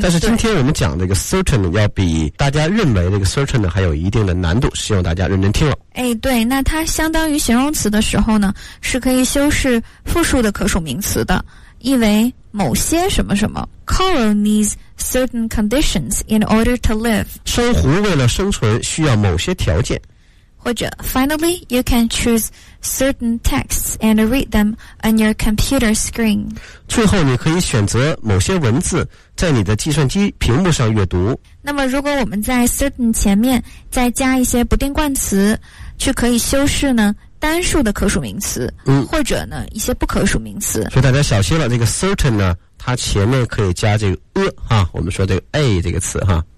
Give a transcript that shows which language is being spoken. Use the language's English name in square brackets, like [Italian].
[Chinese] 但是今天我们讲这个 certain 要比大家认为这个 certain 还有一定的难度，希望大家认真听了。哎，对，那它相当于形容词的时候呢，是可以修饰复数的可数名词的，意为某些什么什么 [English] coral needs certain conditions in order to live， [Chinese] 珊瑚为了生存需要某些条件。或者 [English] finally you can choose certain texts and read them on your computer screen， [Chinese] 最后你可以选择某些文字在你的计算机屏幕上阅读。那么如果我们在 certain 前面再加一些不定冠词，去可以修饰呢单数的可数名词、嗯、或者呢一些不可数名词。所以大家小心了，这个 certain 呢它前面可以加这个啊，我们说这个 a 这个词哈。